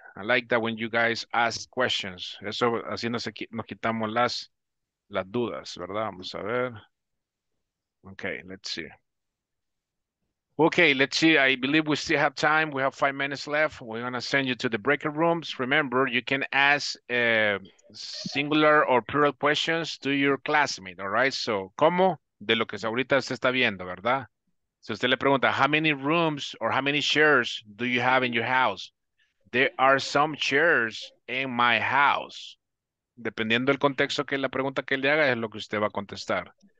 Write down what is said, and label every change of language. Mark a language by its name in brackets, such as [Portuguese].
[English] I like that when you guys ask questions. [Spanish] Eso, así nos quitamos las dudas, ¿verdad? Vamos a ver. [English] Okay, let's see. Okay, let's see. I believe we still have time. We have 5 minutes left. We're going to send you to the breakout rooms. Remember, you can ask singular or plural questions to your classmate, all right? [Spanish] So, ¿cómo? De lo que ahorita se está viendo, ¿verdad? Si usted le pregunta, [English] how many rooms or how many chairs do you have in your house? There are some chairs in my house. [Spanish] Dependiendo del contexto que la pregunta que le haga, es lo que usted va a contestar.